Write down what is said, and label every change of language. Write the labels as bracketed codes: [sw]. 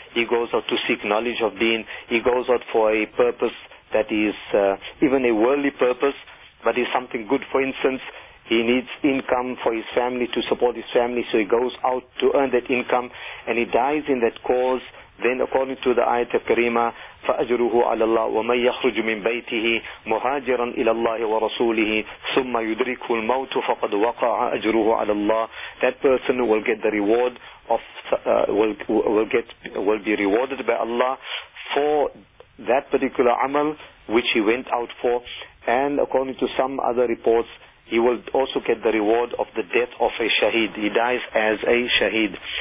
[en] He goes out to seek knowledge of deen. He goes out for a purpose that is even a worldly purpose, but is something good. For instance, he needs income for his family, to support his family, so he goes out to earn that income, and he dies in that cause. Then according to the ayat of Karima, [ar] فَأَجْرُهُ عَلَى اللَّهِ وَمَنْ يَخْرُجُ مِنْ بَيْتِهِ مُهَاجِرًا إِلَى اللَّهِ وَرَسُولِهِ ثُمَّ يُدْرِكُهُ الْمَوْتُ فَقَدْ وَقَعَ أَجْرُهُ عَلَى اللَّهِ. [en] That person will get the reward of will be rewarded by Allah for that particular amal which he went out for. And according to some other reports, he will also get the reward of the death of a shaheed. He dies as a shaheed.